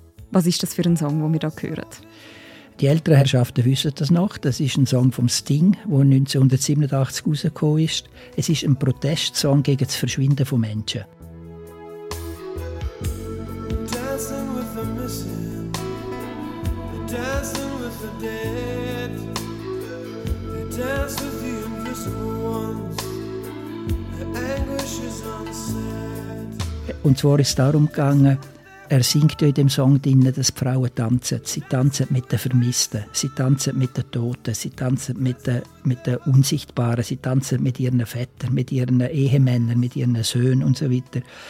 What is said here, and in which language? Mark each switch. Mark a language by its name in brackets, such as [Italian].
[German] Was ist das für ein Song, den wir da hören? Die älteren Herrschaften wissen das noch. Das ist ein Song vom Sting, der 1987 rausgekommen ist. Es ist ein Protestsong gegen das Verschwinden von Menschen. [English] Dancing with the missing, dancing with the dead. They dance with the invisible ones. The anguish is unsaid. [German] Und zwar ist es darum gegangen, er singt ja in dem Song drin, dass die Frauen tanzen. Sie tanzen mit den Vermissten, sie tanzen mit den Toten, sie tanzen mit den Unsichtbaren, sie tanzen mit ihren Vätern, mit ihren Ehemännern, mit ihren Söhnen und so weiter.